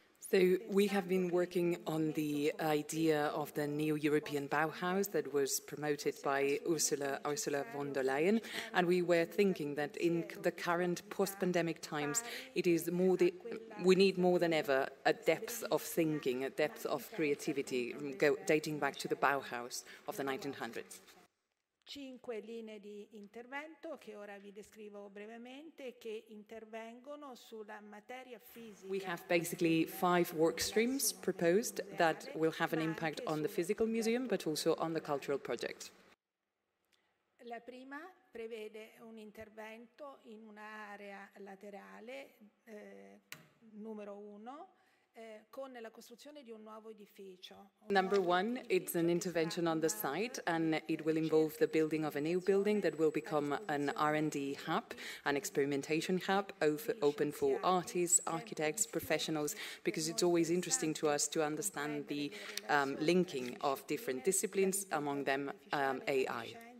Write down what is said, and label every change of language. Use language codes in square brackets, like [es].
[en] So we have been working on the idea of the new European Bauhaus that was promoted by Ursula von der Leyen, and we were thinking that in the current post-pandemic times, we need more than ever a depth of thinking, a depth of creativity, dating back to the Bauhaus of the 1900s. [it] Cinque linee di intervento che ora vi descrivo brevemente che intervengono sulla materia fisica. [en] We have basically five work streams proposed that will have an impact on the physical museum but also on the cultural project. [it] La prima prevede un intervento in un'area laterale numero uno. Con la costruzione di un nuovo edificio. [en] Number one, it's an intervention on the site, and it will involve the building of a new building that will become an R&D hub, an experimentation hub, open for artists, architects, professionals, because it's always interesting to us to understand the linking of different disciplines, among them AI.